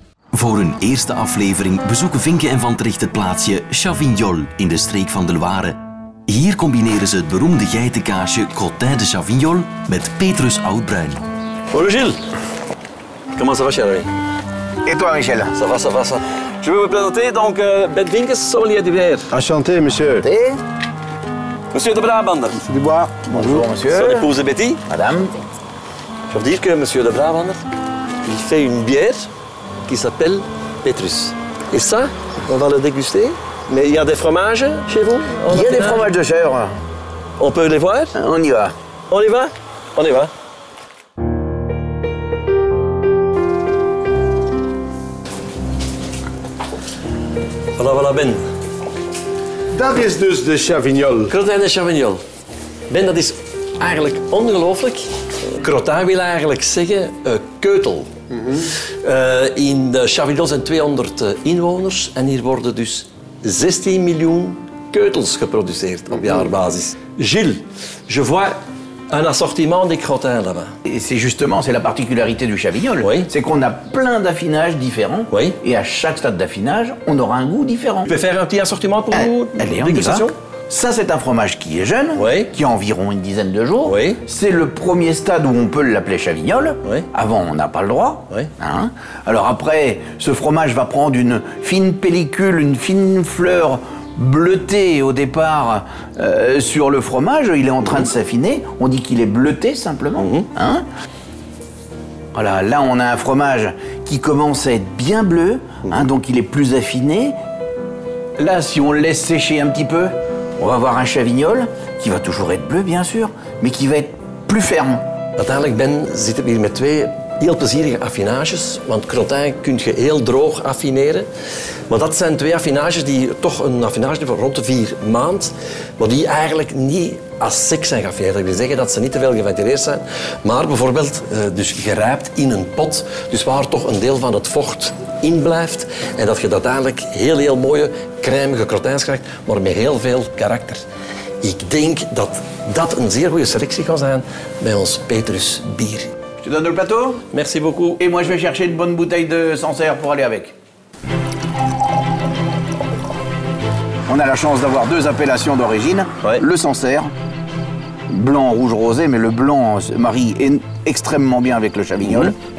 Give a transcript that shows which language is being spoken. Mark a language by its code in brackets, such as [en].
[nl] Voor hun eerste aflevering bezoeken Vinken en Van Tricht het plaatsje Chavignol in de streek van de Loire. Hier combineren ze het beroemde geitenkaasje Cotin de Chavignol met Petrus Oudbruin. [fr] Hallo Gilles. Comment ça va, chérie? Et toi, Michel? Ça va, ça va, ça. Je vais vous présenter donc Bert Vinkes, sommelier du verre. Enchanté, monsieur. Enchanté. Monsieur de Brabander. Monsieur Dubois. Bonjour, monsieur. Son épouse Betty. Madame. Je veux dire que monsieur de Brabander, il fait une bière qui s'appelle Petrus. Et ça, on va le déguster. Mais il y a des fromages chez vous? Il y a des fromages de chèvre. On peut les voir? On y va. On y va? On y va. Voilà, voilà, Ben. [nl] Dat is dus de Chavignol. Crottin de Chavignol. Ben, dat is eigenlijk ongelooflijk. Crottin wil eigenlijk zeggen keutel. Mm-hmm. In de Chavignol zijn 200 inwoners en hier worden dus 16 miljoen keutels geproduceerd op jaarbasis. [fr] Gilles, je vois un assortiment des crottins là-bas. Et c'est justement, c'est la particularité du Chavignol. Oui. C'est qu'on a plein d'affinages différents. Oui. Et à chaque stade d'affinage, on aura un goût différent. Tu peux faire un petit assortiment pour nous? Allez, on y va. Ça, c'est un fromage qui est jeune, oui. Qui a environ une dizaine de jours. Oui. C'est le premier stade où on peut l'appeler Chavignol. Oui. Avant, on n'a pas le droit. Oui. Hein? Alors après, ce fromage va prendre une fine pellicule, une fine fleur bleutée au départ sur le fromage. Il est en train de s'affiner. On dit qu'il est bleuté, simplement. Mmh. Hein? Voilà, là, on a un fromage qui commence à être bien bleu, mmh. Hein, donc il est plus affiné. Là, si on le laisse sécher un petit peu, on va avoir un chavignol qui va toujours être bleu, bien sûr, mais qui va être plus ferme. [nl] Uiteindelijk, Ben, zitten we hier met twee heel plezierige affinages. Want crottin kun je heel droog affineren. Maar dat zijn twee affinages die toch een affinage van rond de 4 maanden. Maar die eigenlijk niet als sec zijn geaffineerd. Dat wil zeggen dat ze niet te veel geventileerd zijn. Maar bijvoorbeeld dus gerijpt in een pot. Dus waar toch een deel van het vocht in blijft. En dat je dat eigenlijk heel, heel mooie, crèmige crottins krijgt. Maar met heel veel karakter. Ik denk dat dat een zeer goede selectie kan zijn bij ons Petrus bier. [fr] Je donne le plateau? Merci beaucoup. Et moi, je vais chercher une bonne bouteille de Sancerre pour aller avec. On a la chance d'avoir deux appellations d'origine. Ouais. Le Sancerre, blanc, rouge, rosé, mais le blanc se marie extrêmement bien avec le Chavignol, mmh.